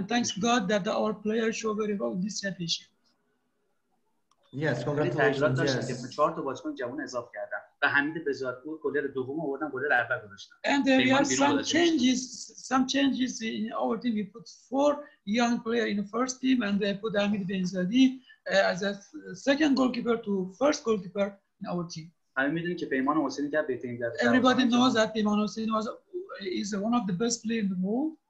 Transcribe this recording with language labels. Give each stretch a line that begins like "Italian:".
English: And thanks God that our players show very well this championship. Yes, congratulations. Yes.
Persian: 4 تا بازیکن جوان اضافه کردم. به حمید بزادپور گلر دوم آوردم، گلر اول گذاشتم.
English: And there are some changes in our team. We put 4 young player in the first team and they put Hamid Benzadi as a second goalkeeper to first goalkeeper in our team.
Persian: همه میدونن که پیمان حسینی که بهترین دفاع.
English: Everybody knows that Peyman Hossein is one of the best player in the world.